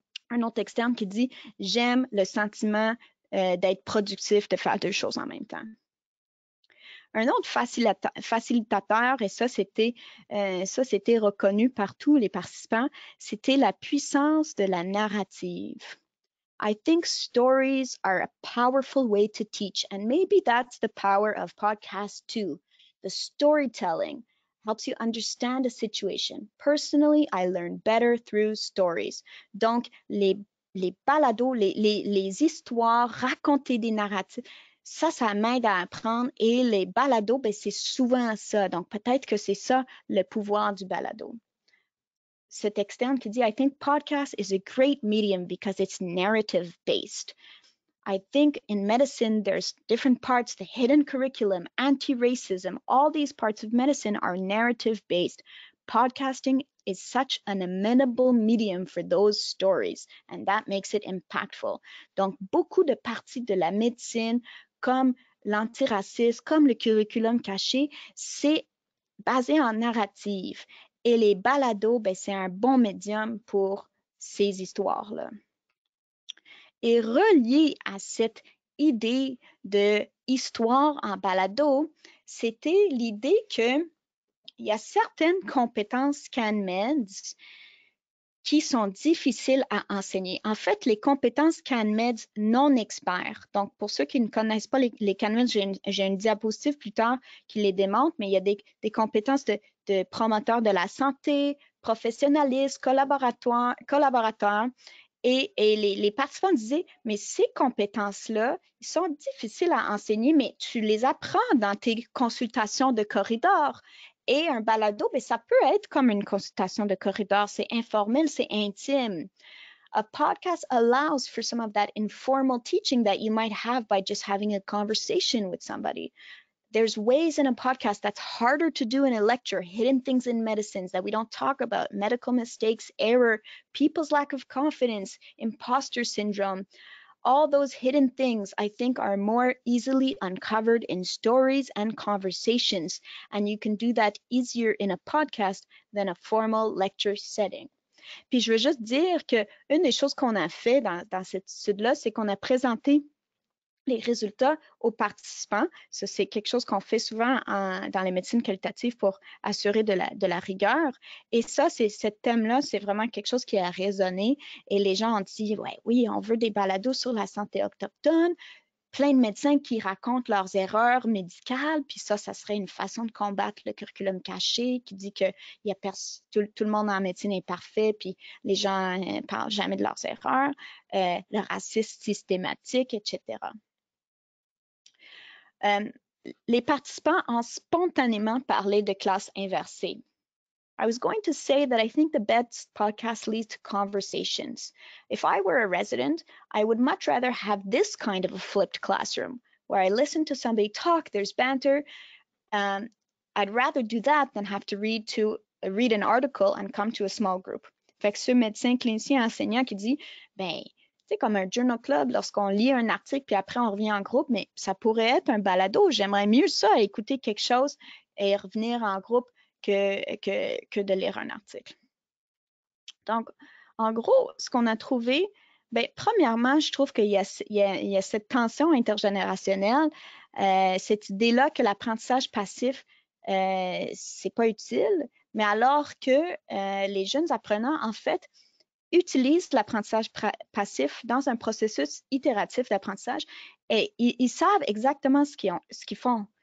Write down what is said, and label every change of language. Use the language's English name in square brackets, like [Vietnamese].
[French] Un autre extrait qui dit, j'aime le sentiment d'être productif, de faire deux choses en même temps. Un autre facilitateur, et ça, c'était reconnu par tous les participants, c'était la puissance de la narrative. [English] I think stories are a powerful way to teach, and maybe that's the power of podcasts too. The storytelling helps you understand a situation. Personally, I learn better through stories. [French] Donc, les balados, les histoires, raconter des narratifs, ça m'aide à apprendre. Et les balados, ben, c'est souvent ça. Donc, peut-être que c'est ça le pouvoir du balado. Cet externe qui dit, [English] I think podcast is a great medium because it's narrative-based. I think in medicine, there's different parts, the hidden curriculum, anti-racism, all these parts of medicine are narrative-based. Podcasting is such an amenable medium for those stories, and that makes it impactful. [French] Donc, beaucoup de parties de la médecine, comme l'antiracisme, comme le curriculum caché, c'est basé en narrative. Et les balados, ben, c'est un bon médium pour ces histoires-là. Et relié à cette idée de histoire en balado, c'était l'idée que il y a certaines compétences CanMeds qui sont difficiles à enseigner. En fait, les compétences CanMed non experts, donc pour ceux qui ne connaissent pas les CanMed, j'ai une diapositive plus tard qui les démontre, mais il y a des compétences de promoteurs de la santé, professionnalistes, collaborateurs, et les participants disaient, mais ces compétences-là, elles sont difficiles à enseigner, mais tu les apprends dans tes consultations de corridor. Et un balado, bien, ça peut être comme une consultation de corridor. C'est informel, c'est intime. [English] A podcast allows for some of that informal teaching that you might have by just having a conversation with somebody. There's ways in a podcast that's harder to do in a lecture, hidden things in medicines that we don't talk about, medical mistakes, error, people's lack of confidence, imposter syndrome. All those hidden things, I think, are more easily uncovered in stories and conversations. And you can do that easier in a podcast than a formal lecture setting. [French] Puis je veux juste dire qu'une des choses qu'on a fait dans cette étude-là, c'est qu'on a présenté les résultats aux participants. Ça, c'est quelque chose qu'on fait souvent dans les médecines qualitatives pour assurer de la rigueur. Et ça, c'est ce thème-là, c'est vraiment quelque chose qui a résonné. Et les gens ont dit, ouais, oui, on veut des balados sur la santé autochtone. Plein de médecins qui racontent leurs erreurs médicales. Puis ça serait une façon de combattre le curriculum caché qui dit que tout le monde en médecine est parfait. Puis les gens ne parlent jamais de leurs erreurs. Le racisme systématique, etc. Les participants ont spontanément parlé de classes inversées. [English] I was going to say that I think the best podcast leads to conversations. If I were a resident, I would much rather have this kind of a flipped classroom where I listen to somebody talk, there's banter. I'd rather do that than have to read an article and come to a small group. [French] Fait que ce médecin clinicien enseignant qui dit, ben, tu sais, comme un journal club, lorsqu'on lit un article puis après on revient en groupe, mais ça pourrait être un balado. J'aimerais mieux ça, écouter quelque chose et revenir en groupe que de lire un article. Donc, en gros, ce qu'on a trouvé, bien, premièrement, je trouve qu'il y a cette tension intergénérationnelle, cette idée-là que l'apprentissage passif, c'est pas utile, mais alors que les jeunes apprenants, en fait, utilisent l'apprentissage passif dans un processus itératif d'apprentissage et ils savent exactement ce qu'ils font.